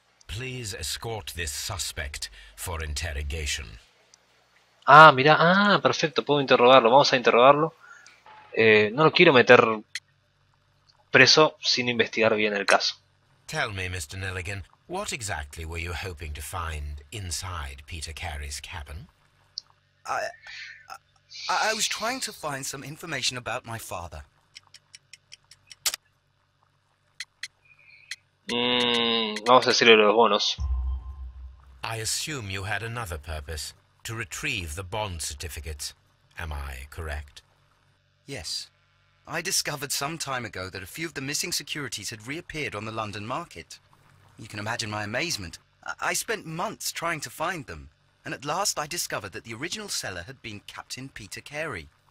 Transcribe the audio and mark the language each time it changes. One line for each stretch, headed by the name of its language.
English: Please escort this suspect for interrogation.
Spanish: Ah, mirá. Ah, perfecto. Puedo interrogarlo. Vamos a interrogarlo. No lo quiero meter preso sin investigar bien el caso.
English: Tell me, Mr. Nelligan, what exactly were you hoping to find inside Peter Carey's cabin? I was trying to find some information about my father.
Spanish: Vamos a decirle los bonos.
English: I assume you had another purpose, to retrieve the bond certificates. Am I correct? Yes. I discovered some time ago that a few of the missing securities had reappeared on the London market. You can imagine my amazement. I spent months trying to find them, and at last I discovered that the original seller had been Captain Peter Carey.